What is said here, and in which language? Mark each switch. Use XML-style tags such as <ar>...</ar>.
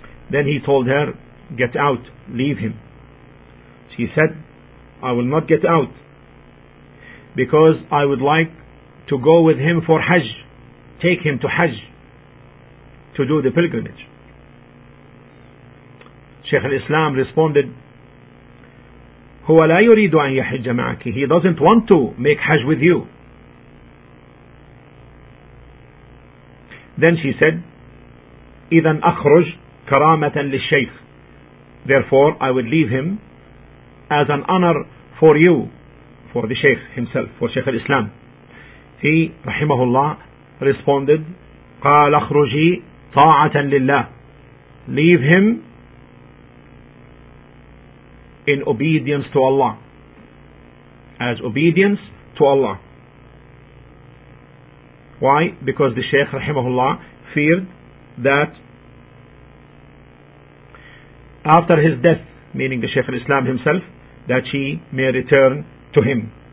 <en>Then he told her, get out, leave him. She said, I will not get out because I would like to go with him for Hajj, take him to Hajj to do the pilgrimage. Shaykh al-Islam responded,</en> <ar>هو لا يريد أن يحج معك.</ar> <en>He doesn't want to make Hajj with you. Then she said,</en> <ar>إذا أخرج كرامة للشيخ.</ar> <en>Therefore, I would leave him as an honor for you, for the Shaykh himself, for Shaykh al-Islam. He,</en> <ar>رحمه الله,</ar> <en>responded,</en> <ar>قال أخرجي طاعة لله.</ar> <en>Leave him in obedience to Allah, as obedience to Allah. Why? Because the Shaykh rahimahullah feared that after his death, meaning the Shaykh al-Islam himself, that she may return to him.</en>